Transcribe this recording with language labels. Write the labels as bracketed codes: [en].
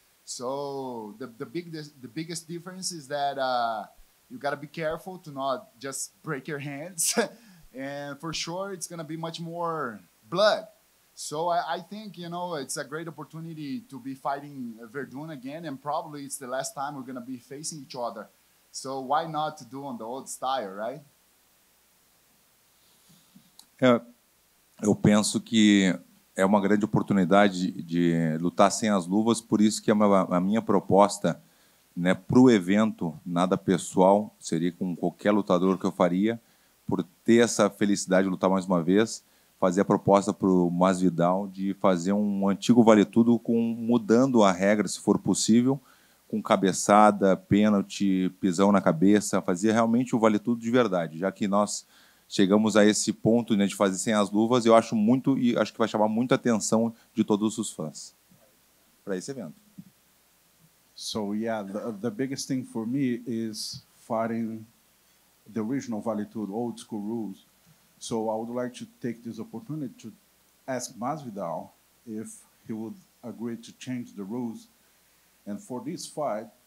[en] So the biggest difference is that you gotta be careful to not just break your hands, and for sure it's gonna be much more blood. So I think, you know, it's a great opportunity to be fighting Werdum again, and probably it's the last time we're going to be facing each other. So why not do on the old style, right? [pt] Eu penso que é uma grande oportunidade de lutar sem as luvas, por isso que a minha proposta, né, pro evento, nada pessoal, seria com qualquer lutador que eu faria, por ter essa felicidade de lutar mais uma vez, fazer a proposta para o Masvidal de fazer um antigo vale-tudo mudando a regra, se for possível, com cabeçada, pênalti, pisão na cabeça, fazer realmente o vale-tudo de verdade, já que nós chegamos a esse ponto, né, de fazer sem as luvas, eu acho muito e acho que vai chamar muita atenção de todos os fãs para esse evento. [en] So, yeah, the biggest thing for me is fighting the original vale-tudo, old school rules. So I would like to take this opportunity to ask Masvidal if he would agree to change the rules. And for this fight,